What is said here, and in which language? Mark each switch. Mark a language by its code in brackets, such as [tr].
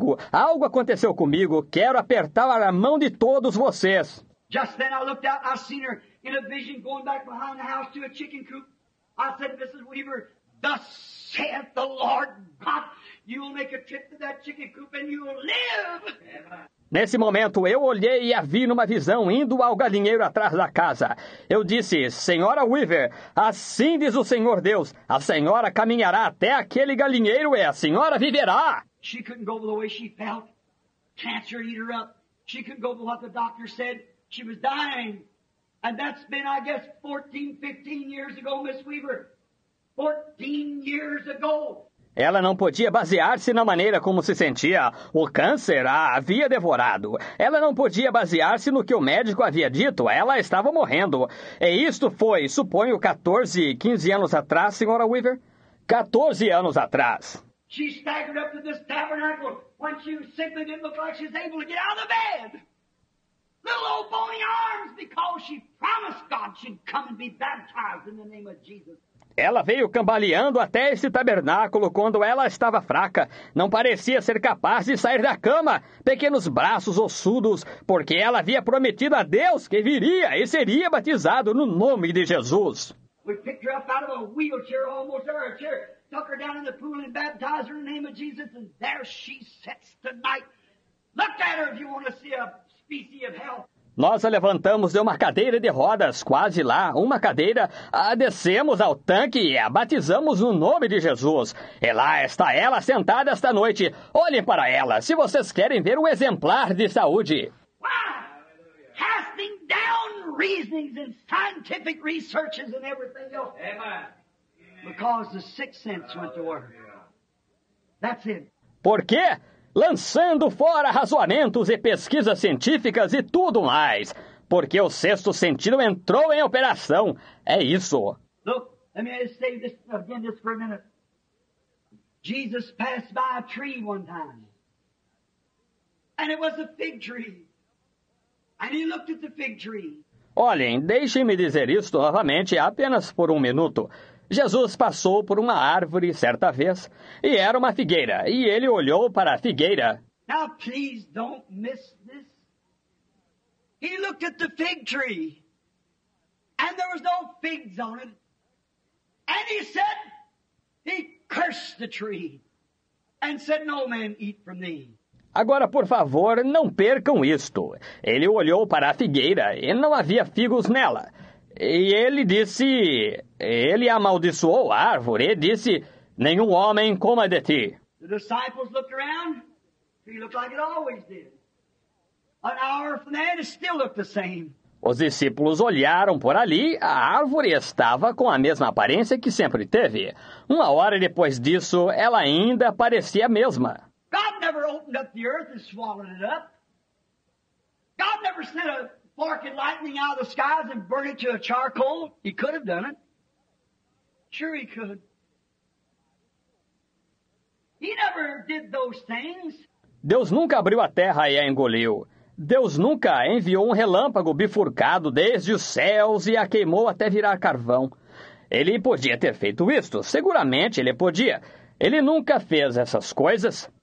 [pt] Algo aconteceu comigo. Quero apertar a mão de todos vocês. [en] Just then I looked out and I seen her in a vision going back behind the house to a chicken coop. I said, Mrs. Weaver, thus saith the Lord God. You'll make a trip to that chicken coop and you'll live. [pt] Nesse momento, eu olhei e a vi numa visão indo ao galinheiro atrás da casa. Eu disse, Senhora Weaver, assim diz o Senhor Deus, a senhora caminhará até aquele galinheiro e a senhora viverá. [en] She couldn't go the way she felt. Cancer eat her up. She couldn't go by what the doctor said. She was dying. And that's been, I guess, 14, 15 years ago, Miss Weaver. 14 years ago. [pt] Ela não podia basear-se na maneira como se sentia. O câncer a havia devorado. Ela não podia basear-se no que o médico havia dito. Ela estava morrendo. E isto foi, suponho, 14, 15 anos atrás, senhora Weaver? 14 anos atrás. [en] She staggered up to this tabernacle when she simply didn't look like she's able to get out of the bed. Little old bony arms, because she promised God she'd come and be baptized in the name of Jesus. [pt] Ela veio cambaleando até esse tabernáculo quando ela estava fraca. Não parecia ser capaz de sair da cama, pequenos braços ossudos, porque ela havia prometido a Deus que viria e seria batizado no nome de Jesus. [en] We picked her up out of a wheelchair, almost out of a chair, took her down in the pool and baptized her in the name of Jesus, and there she sits tonight. Look at her if you want to see a species of hell. [pt] Nós a levantamos de uma cadeira de rodas, quase lá, uma cadeira, a descemos ao tanque e a batizamos no nome de Jesus. E lá está ela sentada esta noite. Olhem para ela, se vocês querem ver um exemplar de saúde. [en] Casting down reasonings and scientific researches and everything else. Amen. Because the sixth sense went to work. That's it. [pt] Por quê? Lançando fora razoamentos e pesquisas científicas e tudo mais, porque o sexto sentido entrou em operação. É isso. [en] Look, let me say this again just for a minute. Jesus passed by a tree one time. And it was a fig tree. And he looked at the fig tree. [pt] Olhem, deixem-me dizer isto novamente apenas por um minuto. Jesus passou por uma árvore certa vez, e era uma figueira, e ele olhou para a figueira. [en] Now, please don't miss this. He looked at the fig tree, and there was no figs on it. And he said, he cursed the tree, and said, no man eat from thee. [pt] Agora, por favor, não percam isto. Ele olhou para a figueira, e não havia figos nela. E ele disse, ele amaldiçoou a árvore e disse, nenhum homem coma de ti. [en] The disciples looked around, he looked like it always did. An hour from there, it still looked the same. [pt] Os discípulos olharam por ali, a árvore estava com a mesma aparência que sempre teve. Uma hora depois disso, ela ainda parecia a mesma. [en] God never opened up the earth and swallowed it up. God never sent a spark of lightning out of the skies and burn it to a charcoal. He could have done it. Sure he could. He never did those things. [pt] Deus nunca abriu a terra e a engoliu. Deus nunca enviou um relâmpago bifurcado desde os céus e a queimou até virar carvão. Ele podia ter feito isto. Seguramente ele podia. Ele nunca fez essas coisas.